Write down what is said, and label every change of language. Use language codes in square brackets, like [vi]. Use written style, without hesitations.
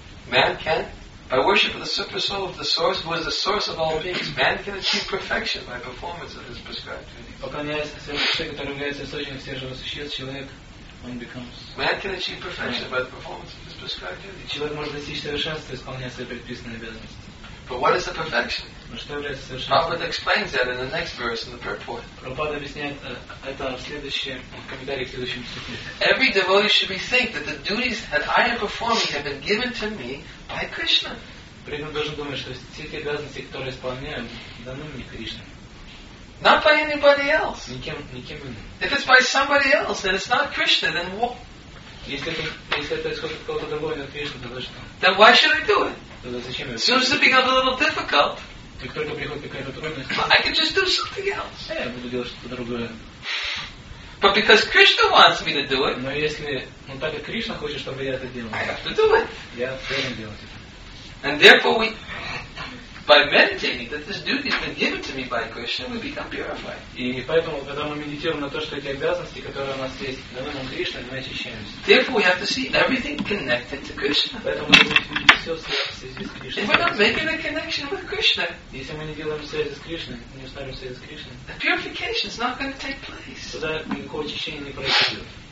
[en] Man can, by worship of the super soul of the source, who is the source of all beings, man can achieve perfection by performance of his prescribed duties. [ru] Поклоняясь святости, которая является источником всех живых существ, человек. [en] Man can achieve perfection by the performance of his prescribed duties. [ru] Человек может достичь совершенства, исполняя свои предписанные обязанности. [en] But what is the perfection? [ru] Но что является совершенством? [en] Prabhupada explains that in the next verse in the purport. [ru] Prabhupada объясняет это в следующем комментарии к следующему стиху. [en] Every devotee should be think that the duties that I am performing have been given to me by Krishna. [ru] При этом должен думать, что все те обязанности, которые исполняю, даны мне Кришной. [en] Not by anybody else. [ru] Никем иным. [en] If it's by somebody else, then it's not Krishna. Then what? [ru] Если это исходит кого-то другого, не от Кришны, тогда что? [en] Then why should I do it? [ru] Тогда зачем? [en] As soon as it becomes a little difficult. [ru] Как только приходит какая-то трудность. [en] But I can just do something else. [ru] Я буду делать что-то другое. [en] But because Krishna wants me to do it. [ru] Но если, ну так как Кришна хочет, чтобы я это делал. [en] I have to do it. [ru] Я должен делать это. [en] And therefore we. by meditating that this duty has been given to me by Krishna, we become purified. [ru] И поэтому, когда мы медитируем на то, что эти обязанности, которые у нас есть, даны нам Кришной, мы очищаемся. [en] Therefore, we have to see everything connected to Krishna. [ru] Поэтому мы должны видеть все в связи с Кришной. [en] If we're not making a connection with Krishna, [ru] если мы не делаем связи с Кришной, не ставим связи с Кришной, [en] the purification is not going to take place. [ru] Тогда никакого очищения не произойдет.